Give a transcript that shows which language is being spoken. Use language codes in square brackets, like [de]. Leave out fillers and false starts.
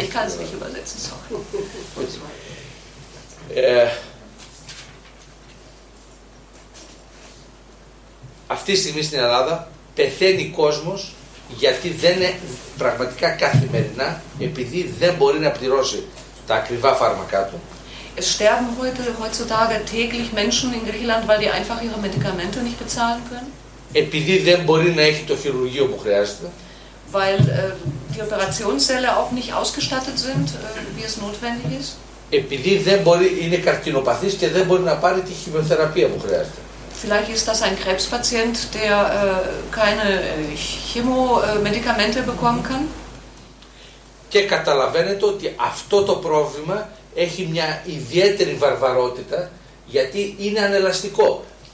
[de] Ich kann es nicht übersetzen, sorry. [el] Αυτή τη στιγμή στην Ελλάδα πεθαίνει κόσμος γιατί δεν είναι πραγματικά καθημερινά επειδή δεν μπορεί να πληρώσει τα ακριβά φάρμακά του. [de] Es sterben heutzutage täglich Menschen in Griechenland, weil die einfach ihre Medikamente nicht bezahlen können. [el] Επειδή δεν μπορεί να έχει το χειρουργείο που χρειάζεται. [de] Weil die Operationssäle auch nicht ausgestattet sind, wie es notwendig ist. [el] Επειδή δεν μπορεί, είναι καρκινοπαθής και δεν μπορεί να πάρει τη χημειοθεραπεία που χρειάζεται. [de] Vielleicht ist das ein Krebspatient, der keine Chemomedikamente bekommen kann. [el] Και καταλαβαίνετε ότι αυτό το πρόβλημα έχει μια ιδιαίτερη βαρβαρότητα, γιατί είναι ανελαστικό.